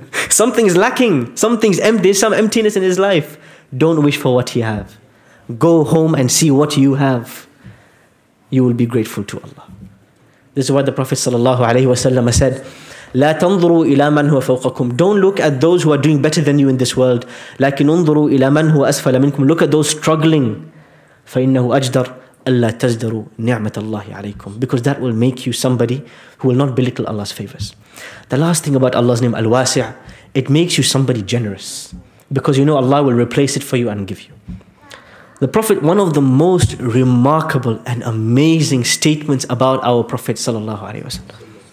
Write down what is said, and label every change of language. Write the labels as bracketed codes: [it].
[en] Something's lacking. Something's empty. There's some emptiness in his life. Don't wish for what he has. Go home and see what you have. You will be grateful to Allah. This is why the Prophet sallallahu alaihi wasallam said, [ar] لا تنظروا إلى من هو فوقكم. [en] Don't look at those who are doing better than you in this world. [ar] لكن انظروا إلى من هو أسفل منكم. [en] Look at those struggling. [ar] فإنه أجدر ألا تزدروا نعمة الله عليكم. [en] Because that will make you somebody who will not belittle Allah's favors. The last thing about Allah's name, Al-Wasi', it makes you somebody generous. Because you know Allah will replace it for you and give you. The Prophet, one of the most remarkable and amazing statements about our Prophet sallallahu alaihi wasallam.